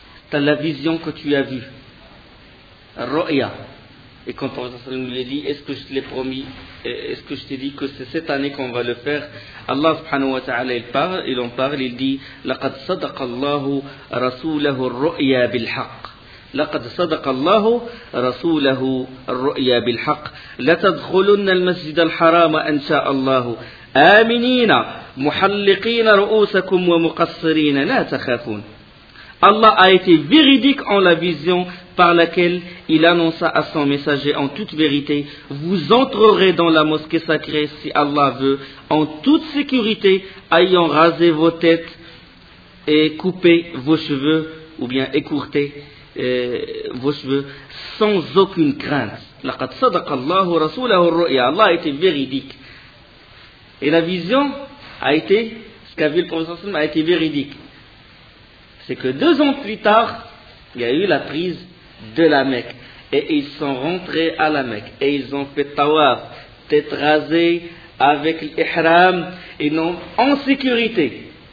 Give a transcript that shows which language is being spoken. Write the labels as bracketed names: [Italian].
[French] T'as la vision que tu as vue. Ru'ya. Et quand le prophète lui a dit, est-ce que je te l'ai promis, est-ce que je t'ai dit que c'est cette année qu'on va le faire, Allah subhanahu wa ta'ala, il parle, il en parle, il dit, [Arabic] لَقَدْ صَدَقَ اللَّهُ رَسُولَهُ الرُّؤْيَا بِالْحَقِّ. لقد صدق الله رسوله الرؤيا بالحق لتدخلن المسجد الحرام ان شاء الله امنين محلقين رؤوسكم ومقصرين لا تخافون. [French] الله a été véridique en la vision par laquelle il annonça à son messager en toute vérité, vous entrerez dans la mosquée sacrée si Allah veut en toute sécurité, ayant rasé vos têtes et coupé vos cheveux ou bien écourté vos cheveux sans aucune crainte. [Arabic] لقد صدق الله رسوله الرؤيا. [French] Allah a été véridique. Et la vision a été, ce qu'a vu le prophète a été véridique. C'est que 2 ans plus tard, il y a eu la prise de la Mecque. Et ils sont rentrés à la Mecque. Et ils ont fait tawaf, tête rasée, avec l'ihram, et non en sécurité.